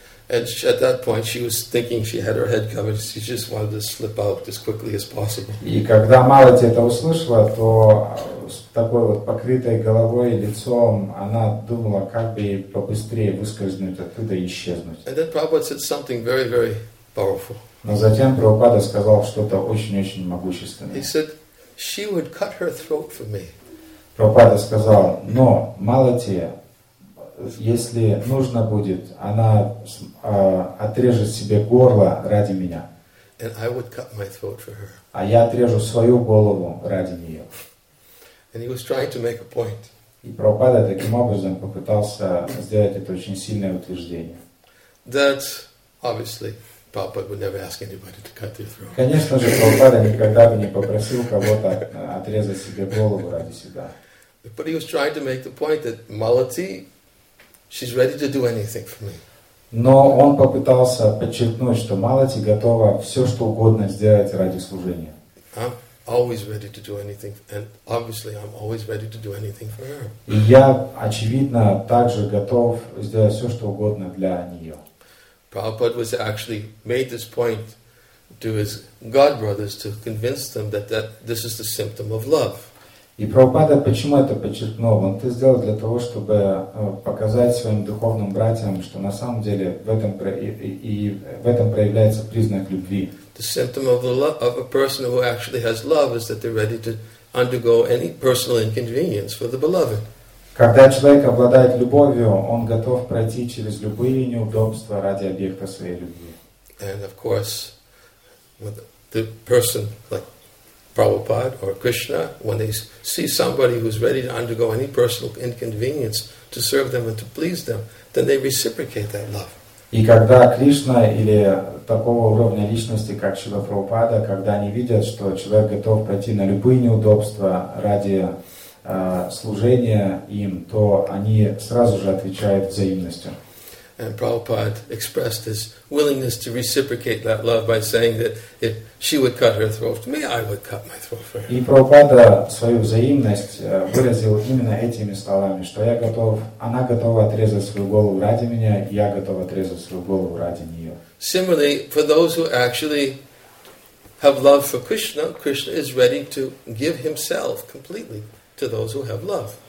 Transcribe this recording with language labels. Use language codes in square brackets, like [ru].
[en] And at that point, she was thinking she had her head covered. She just wanted to slip out as quickly as possible. [ru] И когда Малати это услышала, то с такой вот покрытой головой лицом она думала, как бы побыстрее выскользнуть оттуда и исчезнуть. [en] And then Prabhupada said something very, very powerful. [ru] Но затем Прабхупада сказал что-то очень-очень могущественное. [en] He said, "She would cut her throat for me." [ru] Прабхупада сказал, но Малати, если нужно будет, она отрежет себе горло ради меня. [en] And I would cut my throat for her. [ru] А я отрежу свою голову ради неё. [en] And he was trying to make a point. [ru] И Прабхупада таким образом попытался сделать это очень сильное утверждение. [en] That obviously Prabhupada would never ask anybody to cut their throat. [ru] Конечно же, Прабхупада никогда бы не попросил кого-то отрезать себе голову ради себя. [en] But he was trying to make the point that Malati, she's ready to do anything for me. [ru] Но он попытался подчеркнуть, что Малати готова все, что угодно сделать ради служения. [en] I'm always ready to do anything, and obviously I'm always ready to do anything for her. [ru] И я, очевидно, также готов сделать все, что угодно для нее. [en] Prabhupada was actually made this point to his god brothers to convince them that this is the symptom of love. [ru] И Прабхупада почему это подчеркнул? Он это сделал для того, чтобы показать своим духовным братьям, что на самом деле в этом проявляется признак любви. [en] The symptom of a person who actually has love is that they're ready to undergo any personal inconvenience for the beloved. [ru] Когда человек обладает любовью, он готов пройти через любые неудобства ради объекта своей любви. [en] And of course, with the person like Prabhupada or Krishna, when they see somebody who's ready to undergo any personal inconvenience to serve them and to please them, then they reciprocate that love. [ru] И когда Кришна или такого уровня личности, как Шрила Прабхупада, когда они видят, что человек готов пойти на любые неудобства ради служения им, то они сразу же отвечают взаимностью. [en] And Prabhupada expressed his willingness to reciprocate that love by saying that if she would cut her throat for me, I would cut my throat for her. [ru] И Прабхупада свою взаимность выразил именно этими словами, что я готов, она готова отрезать свою голову ради меня, я готов отрезать свою голову ради нее. [en] Similarly, for those who actually have love for Krishna, Krishna is ready to give himself completely to those who have love.